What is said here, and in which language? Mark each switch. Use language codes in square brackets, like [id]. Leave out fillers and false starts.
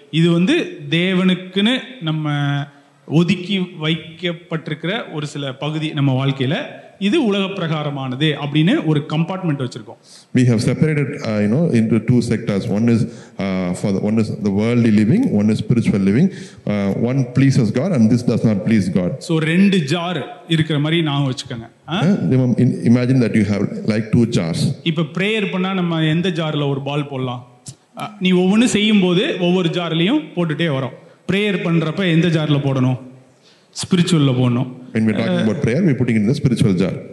[ta] இது வந்து தேவனுக்குன்னு நம்ம ஒதுக்கி வைக்கப்பட்டிருக்கிற ஒரு சில பகுதி நம்ம வாழ்க்கையில, இது உலக பிரகாரமானது அப்படின்னு ஒரு கம்பார்ட்மெண்ட் வச்சிருக்கோம். [en] We have separated into two sectors. One is the worldly living, one is spiritual living. One pleases God and this does not please God. [ta] So ரெண்டு ஜார் இருக்கிற மாதிரி நான் வச்சுக்கங்க. [en] Imagine that you have like two jars. [ta] இப்ப prayer பண்ணா நம்ம எந்த ஜார்ல ஒரு பால் போடலாம்? நீ ஒவ்வொன்னு செய்யும் போது ஒவ்வொரு ஜார்லயும் போட்டுட்டே வரோம். பிரேயர் பண்றப்ப எந்த ஜார்ல போடணும்? ஸ்பிரிச்சுவல்ல போடணும். [en] When we're talking about prayer, we're putting it in the spiritual jar.